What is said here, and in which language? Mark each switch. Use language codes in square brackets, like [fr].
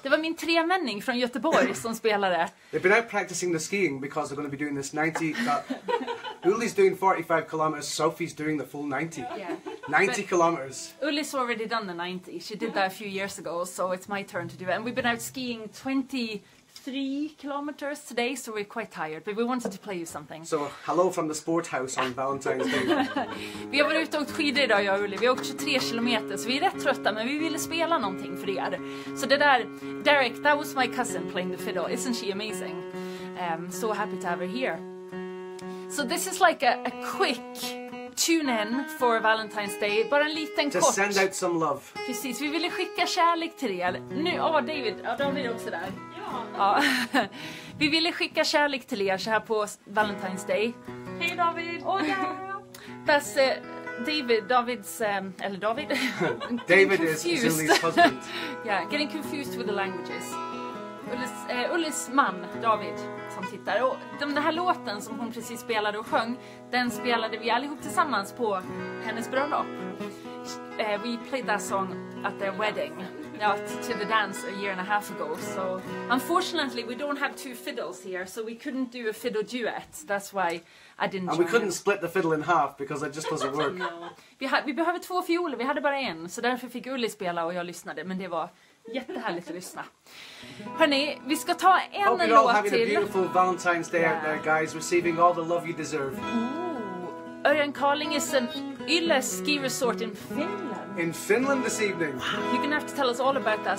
[sv] Det var min tremänning från Göteborg som spelade. [en] They've been out practicing the skiing because they're going to be doing this 90. Uli's doing 45 kilometers. Sophie's doing the full 90. Yeah. 90 but kilometers. Uli's already done the 90. She did that a few years ago, so it's my turn to do it. And we've been out skiing 23 kilometers today, so we're quite tired, but we wanted to play you something. So, hello from the sport house on Valentine's Day. [sv] Vi har varit ute och åkt skidor idag, jag och Uli. Vi har åkt 23 kilometer, så vi är rätt trötta, men vi ville spela någonting för er. Så det där, [en] Derek, that was my cousin playing the fiddle. Isn't she amazing? So happy to have her here. So this is like a quick tune in for Valentine's Day, [sv] bara en liten kort. [en] To send out some love. [sv] Precis, vi ville skicka kärlek till er. Nu, David, David är också där. Ja. Vi ville skicka kärlek till er så här på Valentine's Day. Hej David! [en] Oh, yeah. [sv] Fast Davids, eller David? [en] David is Ulis husband. Yeah, getting confused with the languages. [sv] Ullis man, David, som tittar. Och den här låten som hon precis spelade och sjöng, den spelade vi allihop tillsammans på hennes bröllop. [en] We played that song at their wedding. Out to the dance a year and a half ago, so unfortunately we don't have two fiddles here, so we couldn't do a fiddle duet. That's why I didn't. And we couldn't split the fiddle in half because it just doesn't work. [sv] Vi behöver två fioler. Vi hade bara en, så därför fick Uli spela och jag lyssnade. Men det var jättehärligt att lyssna. Hörrni, vi ska ta en låt till. [en] Hope you're all having a beautiful Valentine's Day out there, guys, receiving all the love you deserve. Ooh, Örjan Carling is an Ylle ski resort in Finland. In Finland this evening. Wow. You're gonna have to tell us all about that.